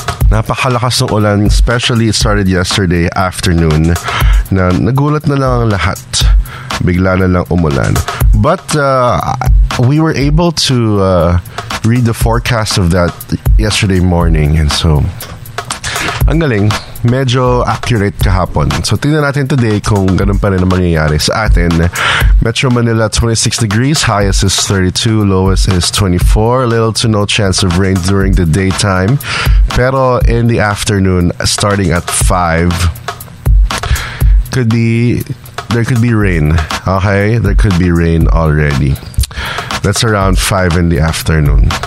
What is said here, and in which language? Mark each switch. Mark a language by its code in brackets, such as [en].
[tl] Napakalakas ng ulan, [en] especially it started yesterday afternoon, [tl] na nagulat na lang ang lahat, bigla na lang umulan. [en] But we were able to read the forecast of that yesterday morning, and so [tl] ang galing, medyo accurate kahapon. So tingnan natin today kung ganun pa rin ang mangyayari sa atin. [en] Metro Manila, 26 degrees, highest is 32, lowest is 24. Little to no chance of rain during the daytime, pero in the afternoon, starting at 5, there could be rain. Okay, there could be rain already. That's around 5 in the afternoon.